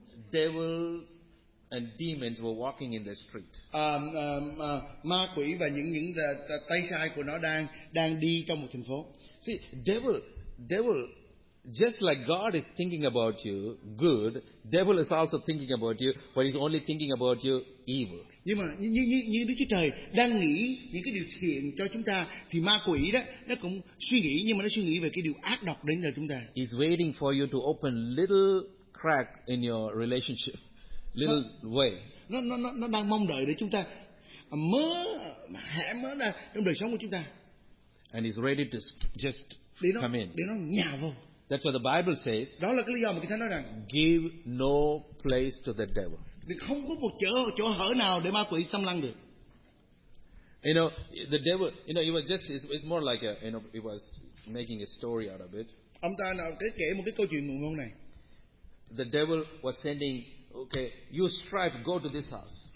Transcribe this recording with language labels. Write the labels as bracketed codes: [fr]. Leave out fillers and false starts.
[en] devils and demons were walking in the street. [vi] Ma quỷ và những tay sai của nó đang đi trong một thành phố. [en] See, devil, just like God is thinking about you good, devil is also thinking about you, but he's only thinking about you evil. [vi] Nhưng mà như Đức Chúa Trời đang nghĩ những cái điều thiện cho chúng ta, thì ma quỷ đó nó cũng suy nghĩ, nhưng mà nó suy nghĩ về cái điều ác độc đến cho chúng ta. [en] He's waiting for you to open little crack in your relationship. Little way. [vi] Nó đang mong đợi để chúng ta mở ra trong đời sống của chúng ta. [en] And he's ready to just come in. [vi] Để nó nhào vô. [en] That's what the Bible says. [vi] Đó là cái lý do mà Kinh Thánh nói rằng, [en] give no place to the devil. [vi] Thì không có một chỗ hở nào để ma quỷ xâm lăng được. [en] You know, the devil, you know, it's more like it was making a story out of it. [vi] Ông ta nào kể một cái câu chuyện ngụ ngôn này. [en] The devil was sending, okay, you strive, go to this house.